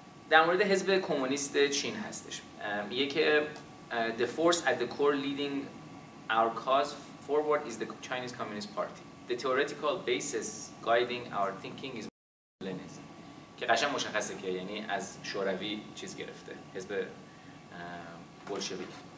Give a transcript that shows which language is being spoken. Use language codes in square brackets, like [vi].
[fa] در مورد حزب کمونیست چین هستش. میگه که [en] the force at the core leading our cause forward is the Chinese Communist Party. The theoretical basis guiding our thinking is Leninism. [fa] که قشنگ مشخصه که یعنی از شوروی چیز گرفته، حزب بولشویک.